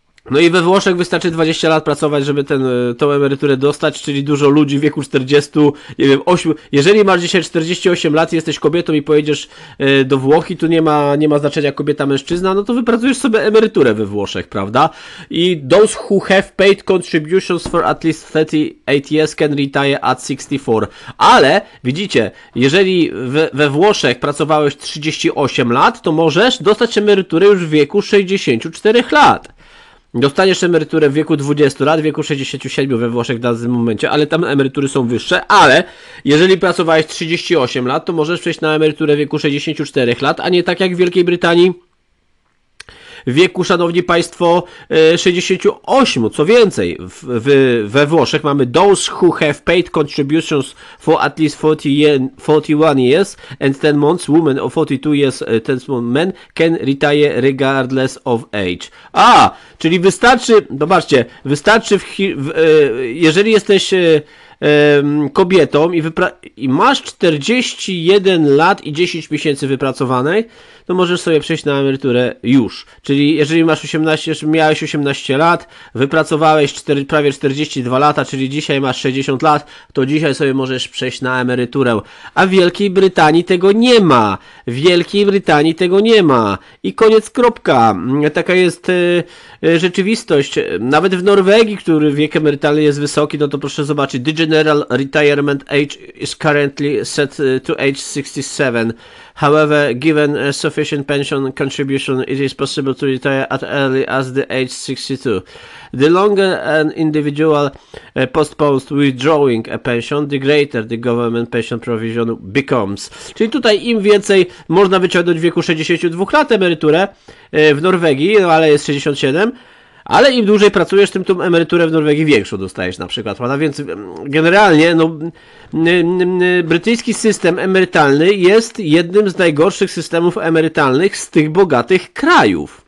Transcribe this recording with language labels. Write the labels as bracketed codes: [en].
[pl] No i we Włoszech wystarczy 20 lat pracować, żeby tą emeryturę dostać, czyli dużo ludzi w wieku 40, nie wiem, 8. Jeżeli masz dzisiaj 48 lat, jesteś kobietą i pojedziesz do Włoch i tu nie ma znaczenia kobieta, mężczyzna, no to wypracujesz sobie emeryturę we Włoszech, prawda? [en] I those who have paid contributions for at least 38 years can retire at 64. [pl] Ale widzicie, jeżeli we Włoszech pracowałeś 38 lat, to możesz dostać emeryturę już w wieku 64 lat. Dostaniesz emeryturę w wieku 20 lat, w wieku 67 we Włoszech w danym momencie, ale tam emerytury są wyższe, ale jeżeli pracowałeś 38 lat, to możesz przejść na emeryturę w wieku 64 lat, a nie tak jak w Wielkiej Brytanii w wieku, szanowni państwo, 68. Co więcej, we Włoszech mamy [en] those who have paid contributions for at least 41 years and 10 months, women of 42 years, 10 months, men can retire regardless of age. [pl] A, czyli wystarczy, zobaczcie, wystarczy, jeżeli jesteś kobietą i masz 41 lat i 10 miesięcy wypracowanej, to możesz sobie przejść na emeryturę już. Czyli jeżeli masz 18, miałeś 18 lat, wypracowałeś prawie 42 lata, czyli dzisiaj masz 60 lat, to dzisiaj sobie możesz przejść na emeryturę. A w Wielkiej Brytanii tego nie ma. W Wielkiej Brytanii tego nie ma. I koniec, kropka. Taka jest rzeczywistość. Nawet w Norwegii, który wiek emerytalny jest wysoki, no to proszę zobaczyć. [en] The general retirement age is currently set to age 67. However, given sufficient pension contribution, it is possible to retire at early as the age 62. The longer an individual postpones withdrawing a pension, the greater the government pension provision becomes. [pl] Czyli tutaj im więcej można wyciągnąć w wieku 62 lat emeryturę w Norwegii, no ale jest 67, ale im dłużej pracujesz, tym tą emeryturę w Norwegii większą dostajesz na przykład, prawda? Więc generalnie, no, brytyjski system emerytalny jest jednym z najgorszych systemów emerytalnych z tych bogatych krajów.